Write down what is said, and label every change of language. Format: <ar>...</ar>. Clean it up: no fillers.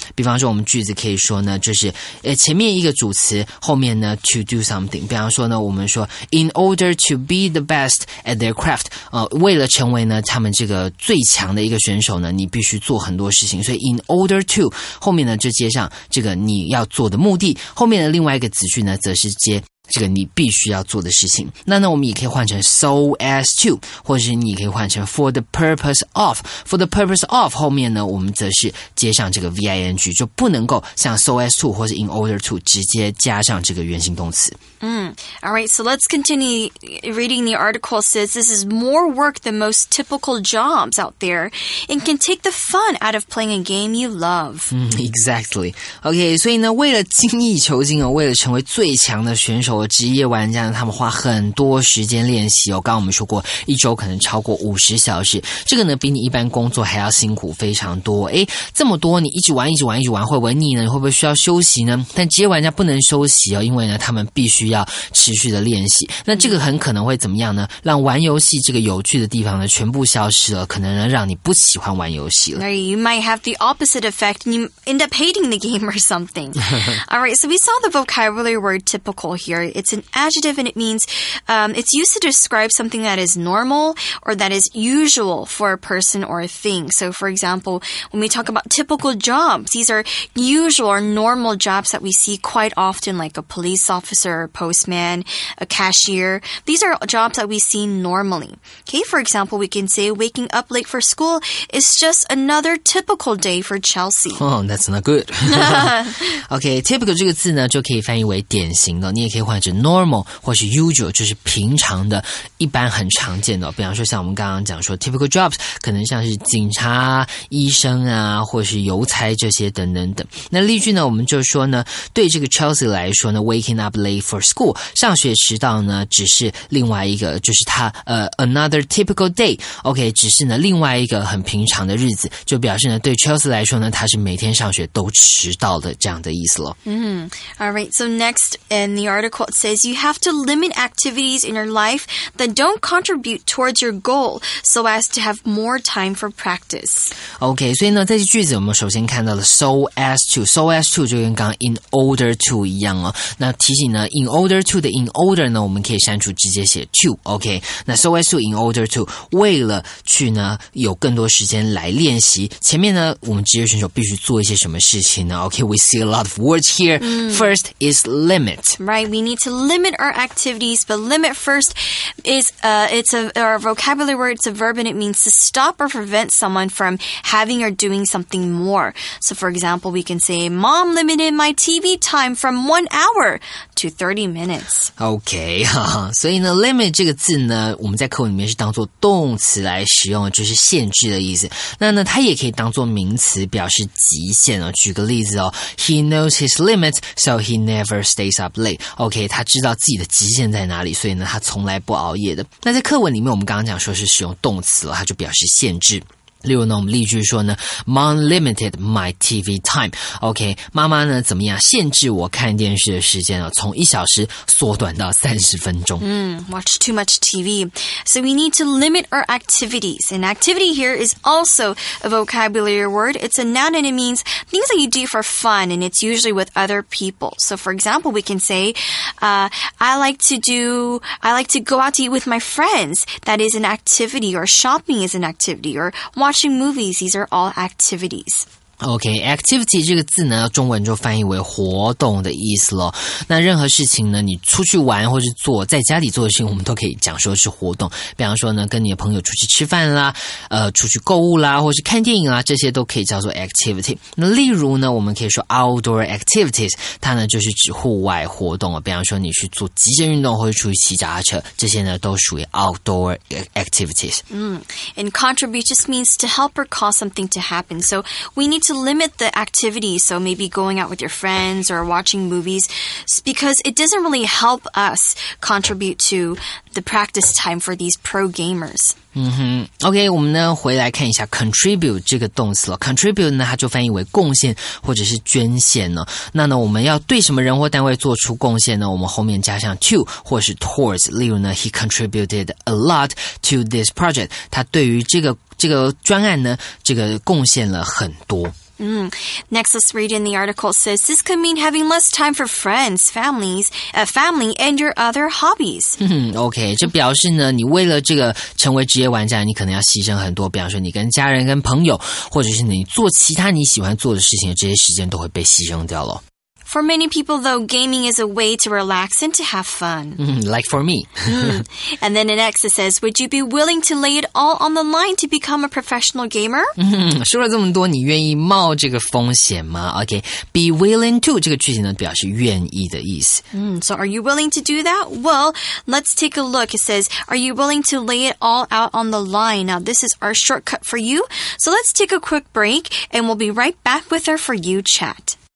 <zh>比方说我们句子可以说呢，就是前面一个主词，后面呢</zh> <en>to do something,</en> <zh>比方说呢我们说</zh> <en>in order to be the best at their craft,</en> <zh>为了成为呢他们这个最强的一个选手呢，你必须做很多事情，所以 in order to 后面呢就接上这个你要做的目的，后面的另外一个子句呢则是接这个你必须要做的事情。那呢我们也可以换成 so as to, 或者是你可以换成 for the purpose of, for the purpose of 后面呢我们则是接上这个 ving, 就不能够像 so as to 或是 in order to 直接加上这个原形动词。</zh> <en>Alright, so let's continue reading the article. It says this is more work than most typical jobs out there and can take the fun out of playing a game you love. Exactly. Okay,</en> <zh>所以呢为了精益求精，为了成为最强的选手，球职业玩家呢，他们花很多时间练习哦。刚刚我们说过，一周可能超过50小时，这个呢比你一般工作还要辛苦非常多。诶，这么多你一直玩一直玩一直玩，会不会腻呢？你会不会需要休息呢？但职业玩家不能休息哦，因为呢他们必须要持续的练习。那这个很可能会怎么样呢？让玩游戏这个有趣的地方呢全部消失了，可能呢让你不喜欢玩游戏了。</zh> <en>You might have the opposite effect and you end up hating the game or something. Alright, so we saw the vocabulary word typical here. It's an adjective and it means, it's used to describe something that is normal or that is usual for a person or a thing. So for example, when we talk about typical jobs, these are usual or normal jobs that we see quite often, like a police officer, a postman, a cashier. These are jobs that we see normally. Okay, for example, we can say waking up late for school is just another typical day for Chelsea. Oh, that's not good.</en> <zh>Okay, typical 这个字呢就可以翻译为典型的，你也可以换成 normal 或是 usual， 就是平常的，一般很常见的。比方说像我们刚刚讲说 typical jobs 可能像是警察、医生啊，或是邮差这些等等等。那例句呢，我们就说呢，对这个 Chelsea 来说呢，</zh> <en>waking up late for school</en> <zh>上学迟到呢，只是另外一个，就是他</zh> <en>another typical day。</en> <zh>OK， 只是呢另外一个很平常的日子，就表示呢对 Chelsea 来说呢，他是每天上学都迟到的，这样的意思咯。</zh> <en>Alright, so next in the article it says you have to limit activities in your life that don't contribute towards your goal so as to have more time for practice.</en> <zh>OK, 所以呢在这句子我们首先看到了 so as to 就跟刚刚 in order to 一样哦。那提醒呢 in order to 的 in order 呢我们可以删除，直接写 to。 OK, 那 so as to in order to 为了去呢有更多时间来练习，前面呢我们职业选手必须做一些什么事情呢？</zh> <en>OK, we see a lot of words here. First is limit. Right, we need to limit our activities, but limit first is our vocabulary word. It's a verb and it means to stop or prevent someone from having or doing something more. So for example, we can say, Mom limited my TV time from 1 hour to 30 minutes.</en> <zh>OK, 所以呢 limit 这个字呢我们在课文里面是当作动词来使用，就是限制的意思。那呢它也可以当作名词表示极限哦。举个例子哦，</zh> <en>He knows his limit, so he never stays up late.</en> <zh>OK, 他知道自己的极限在哪里，所以呢他从来不熬夜的。那在课文里面我们刚刚讲说是使用动词了，它就表示限制。例如呢我们例句说呢</zh> <en>Mom limited my TV time.</en> <zh>OK, 妈妈呢怎么样限制我看电视的时间，从一小时缩短到30分钟。</zh> <en>Watch too much TV. So we need to limit our activities. And activity here is also a vocabulary word. It's a noun and it means things that you do for fun and it's usually with other people. So for example, we can say, I like to go out to eat with my friends. That is an activity. Or shopping is an activity. Or watching movies, these are all activities.</en> <zh>OK, activity 这个字呢中文就翻译为活动的意思咯。那任何事情呢你出去玩或是做在家里做的事情我们都可以讲说是活动。比方说呢跟你的朋友出去吃饭啦，出去购物啦，或是看电影啦，这些都可以叫做 activity。那例如呢我们可以说 outdoor activities, 它呢就是指户外活动了。比方说你去做极限运动或是出去骑脚踏车，这些呢都属于 outdoor activities。</zh> <en>And contribute just means to help or cause something to happen. So we need to limit the activity, so maybe going out with your friends or watching movies, because it doesn't really help us contribute to the practice time for these pro gamers.</en> <zh>OK, 我们呢回来看一下 contribute 这个动词了。contribute 呢它就翻译为贡献或者是捐献了。那呢我们要对什么人或单位做出贡献呢，我们后面加上 to 或是 towards。例如呢</zh> <en>he contributed a lot to this project,</en> <zh>他对于这个专案呢这个贡献了很多。</zh> <en>Next, let's read in the article. It says, this could mean having less time for friends, family, and your other hobbies.</en> <zh>OK, 这表示呢你为了这个成为职业玩家你可能要牺牲很多，比方说你跟家人跟朋友或者是你做其他你喜欢做的事情，这些时间都会被牺牲掉了。</zh> <en>For many people, though, gaming is a way to relax and to have fun. Like for me. And then an exit says, would you be willing to lay it all on the line to become a professional gamer?</en> <zh>说了这么多，你愿意冒这个风险吗？OK, be willing to, 这个句型呢表示愿意的意思。</zh> <en>So are you willing to do that? Well, let's take a look. It says, are you willing to lay it all out on the line? Now, this is our shortcut for you. So let's take a quick break, and we'll be right back with our For You chat.</en>